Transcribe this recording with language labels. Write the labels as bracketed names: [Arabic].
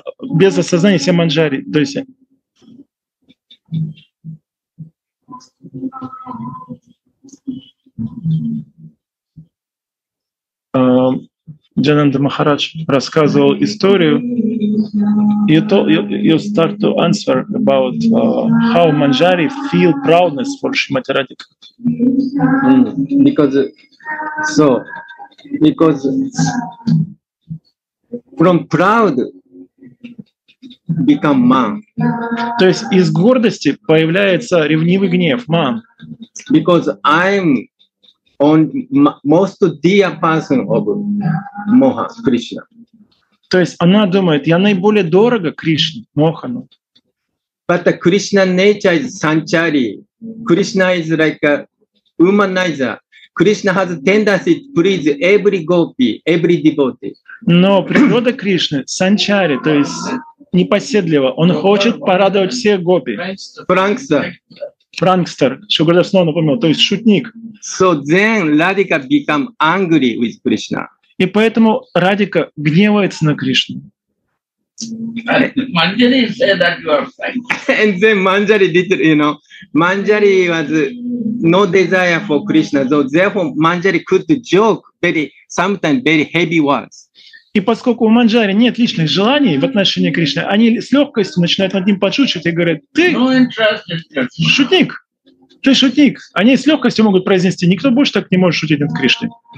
[Russian] Без осознания себя Манджари. То есть Джананда Махарадж рассказывал историю. [English] You start to answer about how Manjari feel proudness for Shrimati Radhika. Because so because from proud become man. [Russian] То есть из гордости появляется ревнивый гнев, man. [English] Because I'm on most dear person of Moha, Krishna. [Russian] То есть она думает, я наиболее дорого Кришне, Мохану. [English] But the Krishna nature is sanchari. Krishna is like a humanizer. Krishna has a tendency to please every gopi, every devotee. [Russian] Но природа Кришны санчари, то есть непоседливо. Он хочет порадовать всех гопи. [English] Франкстер. Франкстер. [Russian] Шугардев снова напомнил, то есть шутник. [English] So then Radhika become angry with Krishna. [Russian] И поэтому Радика гневается на Кришну. [English] Manjari said that you are fine. And then Manjari did, you know, Manjari was no desire for Krishna, so therefore Manjari could joke very, sometimes very heavy words. [Russian] И поскольку у Манджари нет личных желаний в отношении Кришны, они с легкостью начинают над ним подшучивать и говорят: «Ты шутник! Ты шутник!» Они с легкостью могут произнести: «Никто больше так не может шутить над Кришной».